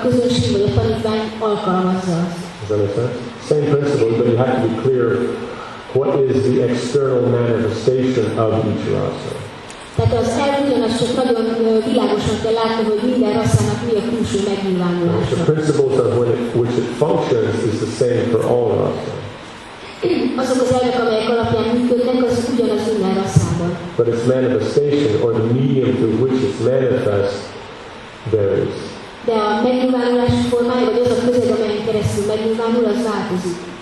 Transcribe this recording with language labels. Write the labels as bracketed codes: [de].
[en] Does that make sense? Same principle, but you have to be clear what is the external manifestation of each rasa. [hu] Tehát az elugyanaz, csak nagyon világosan kell látni, hogy minden rasszának mi a külső megnyilvánulása. [en] The principles of which it functions is the same for all rasszák. [hu] Azok az elvek, amelyek alapján működnek, az ugyanaz minden rasszában. [en] But its manifestation, or the medium through which it manifests, varies. [hu] De a megnyilvánulás formája, vagy az a közeg, amelyen keresztül megnyilvánul, az változik.